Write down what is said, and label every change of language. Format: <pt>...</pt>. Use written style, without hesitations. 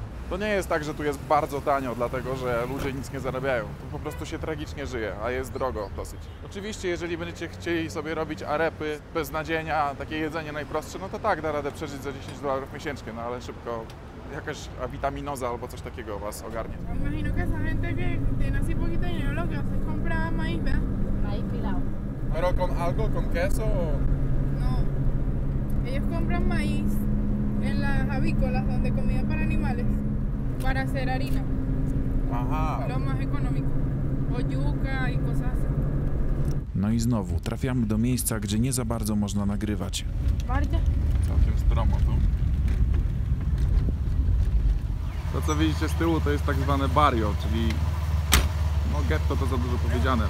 <pl>To nie jest tak, że tu jest bardzo tanio, dlatego że ludzie nic nie zarabiają. Tu po prostu się tragicznie żyje, a jest drogo dosyć. Oczywiście, jeżeli będziecie chcieli sobie robić arepy beznadzienia, takie jedzenie najprostsze, no to tak, da radę przeżyć za $10 miesięcznie, no ale szybko jakaś vitaminoza albo coś takiego was ogarnie.</pl> <es>Me imagino que esa gente que tiene así poquito dinero lo que hace es comprar maíz, pilado. ¿Pero con algo, con queso? No. Ellos compran maíz en las avícolas donde comida para animales para hacer harina. Ajá. Lo más económico. O yuca y cosas así.</es> <pl>No i znowu trafiamy do miejsca, gdzie nie za bardzo można nagrywać. Bardzo. Całkiem stromo tu. To co widzicie z tyłu, to jest tak zwane barrio, czyli no getto to za dużo powiedziane.</pl>